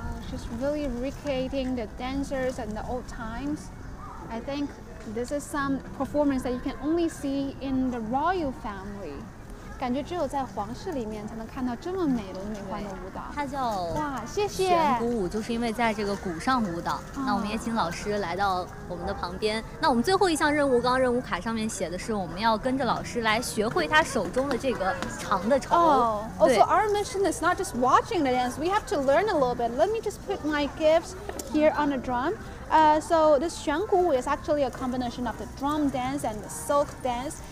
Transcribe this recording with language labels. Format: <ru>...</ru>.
<en>Just really recreating the dancers and the old times. I think this is some performance that you can only see in the royal family.</en> <zh>感觉只有在皇室里面才能看到这么美轮美奂的舞蹈。它叫哇，谢谢。旋鼓舞就是因为在这个鼓上舞蹈。那我们也请老师来到我们的旁边。那我们最后一项任务，刚刚任务卡上面写的是我们要跟着老师来学会他手中的这个长的绸。</zh> <en>Oh, so our mission is not just watching the dance. We have to learn a little bit. Let me just put my gifts here on the drum. So this 旋鼓舞 is actually a combination of the drum dance and the silk dance.</en>